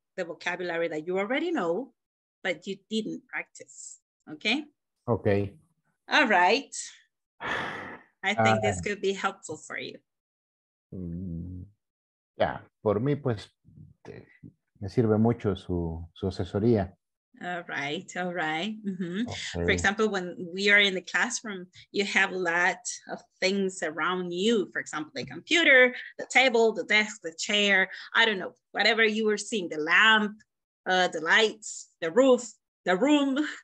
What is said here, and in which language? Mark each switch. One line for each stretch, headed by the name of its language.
English: the vocabulary that you already know, but you didn't practice. Okay? Okay. All right. I think this could be helpful for you.
Spanish: Yeah, por mí, pues, me sirve mucho su asesoría.
English: All right. Mm-hmm. Okay. For example, when we are in the classroom, you have a lot of things around you. For example, the computer, the table, the desk, the chair, I don't know, whatever you were seeing, the lamp, the lights, the roof, the room.